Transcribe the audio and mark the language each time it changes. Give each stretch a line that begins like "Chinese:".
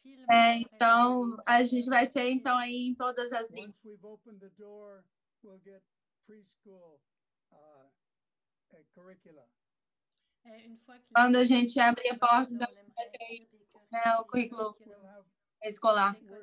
Portuguese: Então, a gente vai ter, então, aí em todas as línguas.
English: Once we've opened the door, we'll get preschool curricula.
Portuguese: Quando a gente abrir a porta, então, vai ter o currículo escolar.